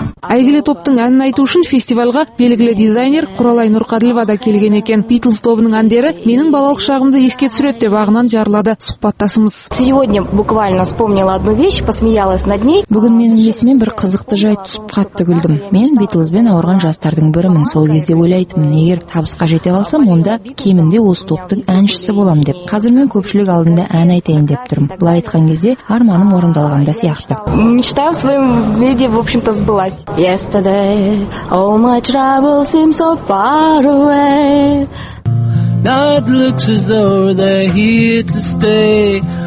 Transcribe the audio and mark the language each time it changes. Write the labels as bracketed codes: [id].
[kk] Әйгілі топтың әнін айту үшін фестивальға белгілі дизайнер Құралай Нұрқаділова да келген екен. Битлз тобының әндері менің балалық шағымды еске түсіреді деп ағынан жарылады сұхбаттасымыз. [ru] Сегодня буквально вспомнила одну вещь, посмеялась над ней. [kk] Бүгін менің есіме бір қызықты жайт түсіп қатты күлдім. Мен Битлзбен ауырған жастардың бірімін. Сол кезде ойлайтынмын, егер табысқа жете алсам, онда кемінде осы топтың әншісі боламын деп. Қазір мен көпшілік алдында ән айтайын деп тұрмын. Былай айтқан кезде арманым орындалғанда сияқты. [ru] Мечта в своем виде, в общем-то, сбылась. [en] Yesterday, all my troubles seem so far away. Now it looks as though they're here to stay.